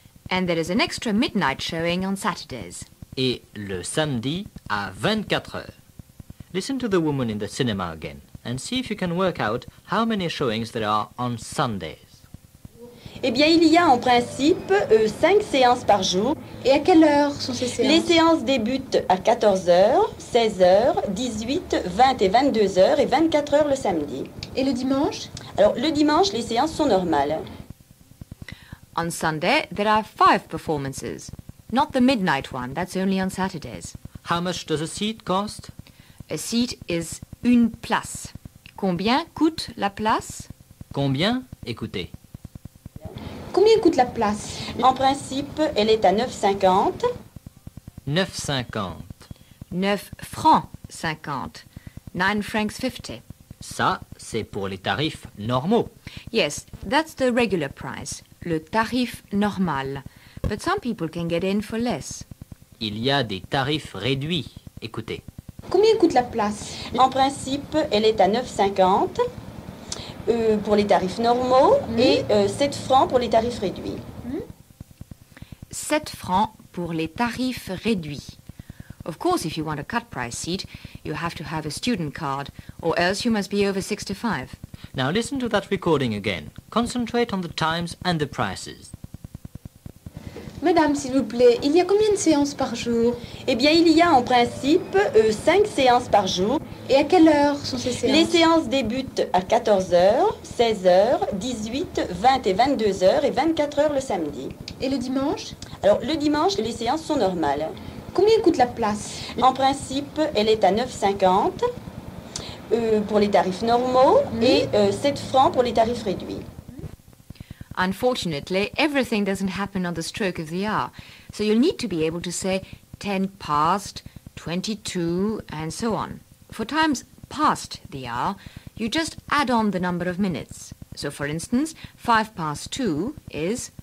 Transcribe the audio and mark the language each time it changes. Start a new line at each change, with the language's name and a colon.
English: And there is an extra midnight showing on Saturdays.
French: Et le samedi à 24h.
English: Listen to the woman in the cinema again and see if you can work out how many showings there are on Sundays.
French: Eh bien, il y a en principe 5 séances par jour. Et à quelle heure sont ces séances? Les séances débutent à 14h, 16h, 18h, 20h et 22h et 24h le samedi. Et le dimanche? Alors, le dimanche, les séances sont normales.
English: On Sunday, there are 5 performances. Not the midnight one, that's only on Saturdays. How much does a seat cost? A seat is
French: une place. Combien coûte la place? Combien? Écoutez. Combien coûte la place? En principe, elle est à 9,50. 9,50. 9 francs 50. 9 francs 50. Ça, c'est pour les tarifs normaux. Yes, that's the regular price. Le tarif normal.
English: But some people can get in for less.
French: Il y a des tarifs réduits. Écoutez. Combien coûte la place? En principe, elle est à 9,50 pour les tarifs normaux et 7 francs pour les tarifs réduits. Mm? 7 francs pour les tarifs réduits.
English: Of course, if you want a cut price seat, you have to have a student card, or else you must be over 65. Now listen to that recording again. Concentrate on the times and the prices.
French: Madame, s'il vous plaît, il y a combien de séances par jour? Eh bien, il y a en principe 5 séances par jour. Et à quelle heure sont ces séances? Les séances débutent à 14h, 16h, 18h, 20h et 22h et 24h le samedi. Et le dimanche? Alors, le dimanche, les séances sont normales. Combien coûte la place? En principe, elle est à 9,50 pour les tarifs normaux et 7 francs pour les tarifs réduits.
English: Unfortunately, everything doesn't happen on the stroke of the hour. So you'll need to be able to say 10 past, 22, and so on. For times past the hour, you just add on the number of minutes. So for instance, 5 past 2 is